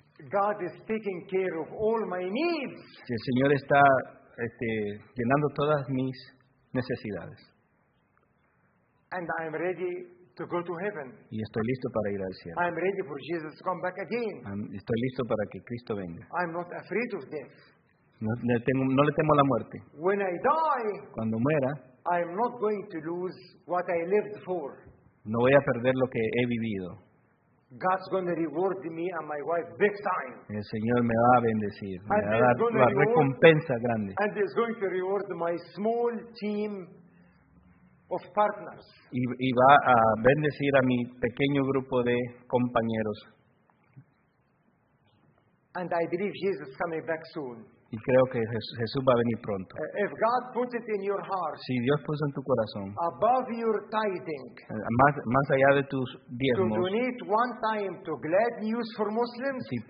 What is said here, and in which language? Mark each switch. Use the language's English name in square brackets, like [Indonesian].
[English] God is taking care of all my needs. [Spanish] El Señor está llenando todas mis necesidades. [English] And I am ready to go to heaven. [Spanish] Y estoy listo para ir al cielo. [English] I am ready for Jesus to come back again. [Spanish] Estoy listo para que Cristo venga. [English] I am not afraid of death. [Spanish] No le temo a la muerte. [English] When I die, [Spanish] cuando muera, [English] I am not going to lose what I lived for. [Spanish] No voy a perder lo que he vivido. [English] God's going to reward me and my wife big time. [Spanish] El Señor me va a bendecir, me va a dar una recompensa grande. [English] And He's going to reward my small team of partners. [Spanish] Y va a bendecir a mi pequeño grupo de compañeros. [English] And I believe Jesus is coming back soon. [Spanish] Y creo que Jesús va a venir pronto. [English] If God puts it in your heart, [Spanish] si Dios puso en tu corazón, [English] above your tithing, [Spanish] más allá de tus diezmos, [English] to donate one time to glad news for Muslims,